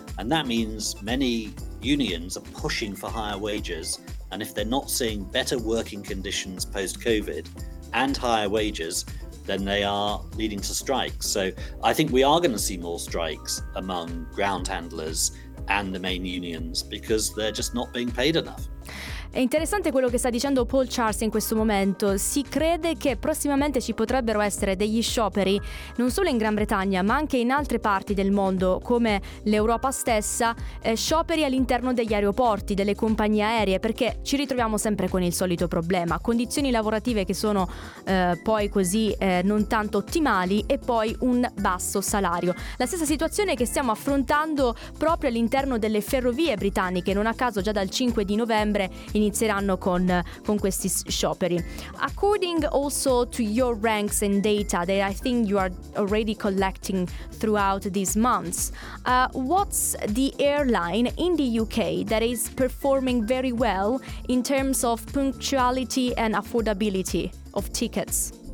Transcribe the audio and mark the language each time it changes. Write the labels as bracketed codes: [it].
[en] And that means many unions are pushing for higher wages. And if they're not seeing better working conditions post-COVID and higher wages, then they are leading to strikes. So I think we are going to see more strikes among ground handlers and the main unions because they're just not being paid enough. [it] È interessante quello che sta dicendo Paul Charles in questo momento. Si crede che prossimamente ci potrebbero essere degli scioperi non solo in Gran Bretagna ma anche in altre parti del mondo come l'Europa stessa, scioperi all'interno degli aeroporti, delle compagnie aeree, perché ci ritroviamo sempre con il solito problema: condizioni lavorative che sono non tanto ottimali e poi un basso salario. La stessa situazione che stiamo affrontando proprio all'interno delle ferrovie britanniche, non a caso già dal 5 di novembre inizieranno con questi scioperi. [en] According also to your ranks and data that I think you are already collecting throughout these months, what's the airline in the UK that is performing very well in terms of punctuality and affordability of tickets?